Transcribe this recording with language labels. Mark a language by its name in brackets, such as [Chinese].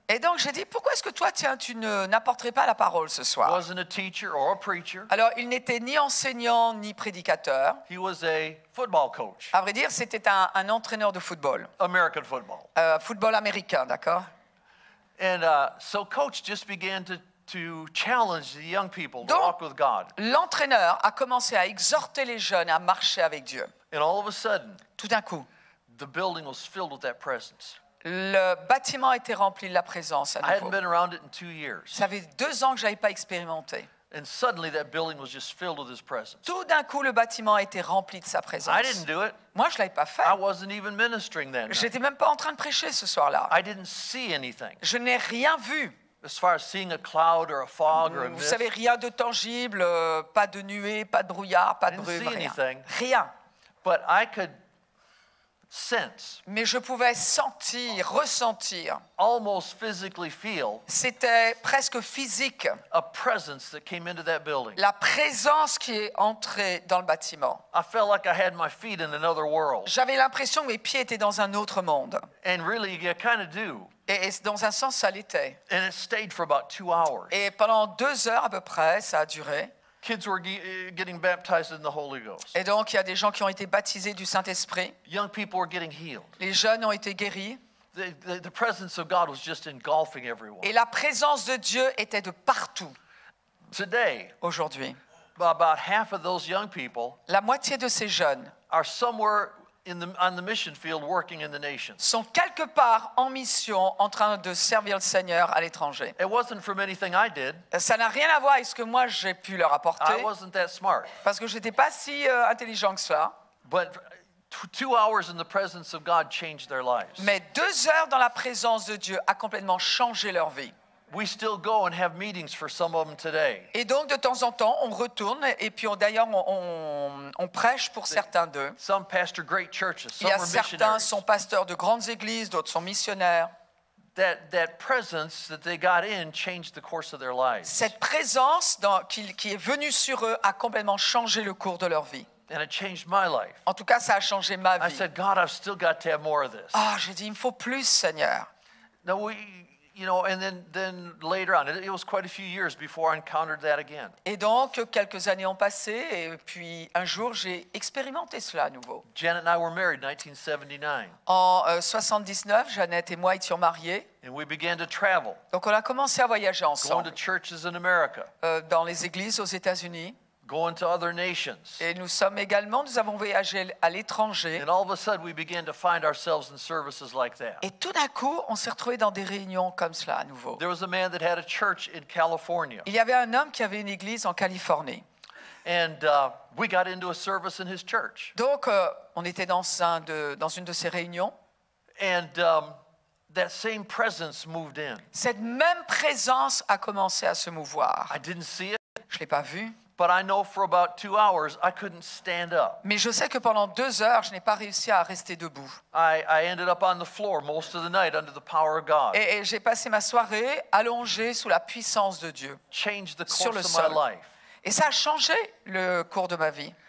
[French] Et donc j'ai dit, pourquoi est-ce que toi, tiens, tu n'apporterais pas la parole ce soir? [English] Wasn't a teacher or a preacher. [French] Alors il n'était ni enseignant ni prédicateur. [English] He was a football coach. [French] À vrai dire, c'était un entraîneur de football. [English] American football. [French] Football américain, d'accord? [English] And so Coach just began to challenge the young people to walk with God. [French] L'entraîneur a commencé à exhorter les jeunes à marcher avec Dieu. [English] And all of a sudden, [French] tout d'un coup, [English] the building was filled with that presence. [French] Le bâtiment était rempli de la présence. [English] I hadn't been around it in 2 years. [French] Ça fait 2 ans que j'avais pas expérimenté. [English] And suddenly that building was just filled with his presence. [French] Tout d'un coup, le bâtiment était rempli de sa présence. [English] I didn't do it. [French] Moi, je l'avais pas fait. [English] I wasn't even ministering then. [French] J'étais même pas en train de prêcher ce soir-là. [English] I didn't see anything. [French] Je n'ai rien vu. [English] As far as seeing a cloud or a fog or a mist. [French] Vous savez, rien de tangible, pas de nuée, pas de brouillard, pas de brume, rien. [English] But I could sense. [French] Mais je pouvais sentir, ressentir. [English] Almost physically feel. [French] C'était presque physique. [English] A presence that came into that building. [French] La présence qui est entrée dans le bâtiment. [English] I felt like I had my feet in another world. [French] J'avais l'impression que mes pieds étaient dans un autre monde. [English] And really, you kind of do. [French] Et dans un sens, ça l'était. [English] And it stayed for about 2 hours. [French] Et pendant 2 heures à peu près, ça a duré. [English] Kids were getting baptized in the Holy Ghost. [French] Et donc, il y a des gens qui ont été baptisés du Saint-Esprit. [English] Young people were getting healed. [French] Les jeunes ont été guéris. [English] The presence of God was just engulfing everyone. [French] Et la présence de Dieu était de partout. [English] Today, [French] aujourd'hui, [English] about half of those young people, [French] la moitié de ces jeunes, [English] are somewhere on the mission field working in the nations. [French] Sont quelque part en mission en train de servir le Seigneur à l'étranger. [English] It wasn't from anything I did. [French] Ça n'a rien à voir avec ce que moi j'ai pu leur apporter. [English] I wasn't that smart. [French] Parce que j'étais pas si intelligent que ça. [English] But 2 hours in the presence of God changed their lives. [French] Mais 2 heures dans la présence de Dieu a complètement changé leur vie. [English] We still go and have meetings for some of them today. [French] Et donc de temps en temps, on retourne et puis on prêche pour certains d'eux. [English] Some pastor great churches, some are missionaries. [French] Il y a certains sont pasteurs de grandes églises, d'autres sont missionnaires. [English] That presence that they got in changed the course of their lives. [French] Cette présence qui est venue sur eux a complètement changé le cours de leur vie. [English] And it changed my life. [French] En tout cas, ça a changé ma vie. [English] I said, God, I've still got to have more of this. [French] Ah, j'ai dit, il me faut plus, Seigneur. [English] Now we. You know, and then later on, it was quite a few years before I encountered that again. [French] Et donc quelques années ont passé, et puis un jour j'ai expérimenté cela à nouveau. [English] Janet and I were married in 1979. [French] En 79, Jeanette et moi étions mariés. [English] And we began to travel. [French] Donc on a commencé à voyager ensemble. [English] Going to churches in America. [French] Dans les églises aux États-Unis. [English] Going to other nations. [French] Et nous sommes également, nous avons voyagé à l'étranger. [English] And all of a sudden, we began to find ourselves in services like that. [French] Et tout d'un coup, on s'est retrouvé dans des réunions comme cela à nouveau. [English] There was a man that had a church in California. [French] Il y avait un homme qui avait une église en Californie. [English] And we got into a service in his church. [French] Donc, on était dans une de ces réunions. [English] And that same presence moved in. [French] Cette même présence a commencé à se mouvoir. [English] I didn't see it. [French] Je l'ai pas vu. [English] But I know for about 2 hours I couldn't stand up. [French] Mais je sais que pendant 2 heures je n'ai pas réussi à rester debout. [English] I ended up on the floor most of the night under the power of God. [French] Et j'ai passé ma soirée allongée sous la puissance de Dieu. [English] Changed the course of my life. [French] Et ça a changé le cours de ma vie.